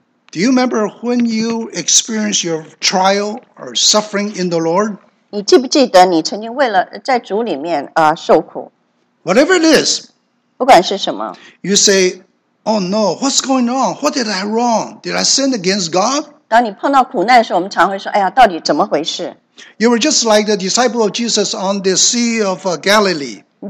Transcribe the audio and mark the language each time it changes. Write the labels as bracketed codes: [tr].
[en] Do you remember when you experienced your trial or suffering in the Lord? [zh] 你记不记得你曾经为了在主里面受苦? [en] Whatever it is, [zh] 不管是什么, [en] you say, oh no, what's going on? What did I wrong? Did I sin against God? [zh] 当你碰到苦难的时候,我们常会说,哎呀,到底怎么回事? [en] You were just like the disciple of Jesus on the Sea of Galilee.